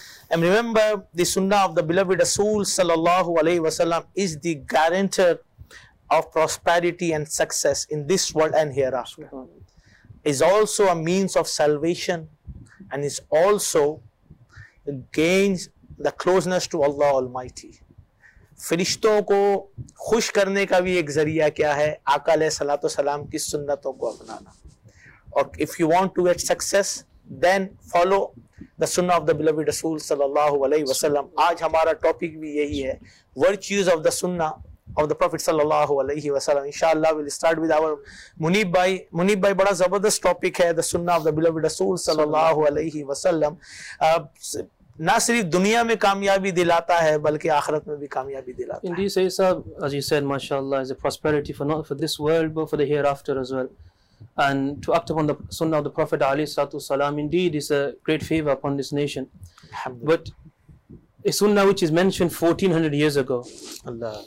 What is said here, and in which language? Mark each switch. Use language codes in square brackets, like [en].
[en] And remember, the Sunnah of the beloved Rasul Sallallahu Alaihi Wasallam is the guarantor of prosperity and success in this world and hereafter. Is also a means of salvation and is also gains the closeness to Allah Almighty. [ur] فرشتوں کو خوش کرنے کا بھی ایک ذریعہ کیا ہے آقا علیہ الصلوۃ والسلام کی سنتوں کو اپنانا اور [en] if you want to get success then follow the sunnah of the beloved [ur] رسول صلی اللہ علیہ وسلم آج ہمارا ٹاپک بھی یہی ہے [en] virtues of the sunnah of the prophet [ur] صلی اللہ علیہ وسلم انشاءاللہ [en] we'll start with our [ur] منیب بھائی بڑا زبردست ٹاپک ہے the sunnah of the beloved رسول صلی اللہ علیہ وسلم نہ صرف دنیا میں کامیابی دلاتا ہے بلکہ آخرت میں بھی کامیابی دلاتا ہے [en] Indeed, Sayyid Sahib, as you said, mashallah, is a prosperity for not for this world, but for the hereafter as well. And to act upon the sunnah of the Prophet alayhi salatu wasalam, indeed, is a great favor upon this nation. But a sunnah which is mentioned 1400 years ago, Allah.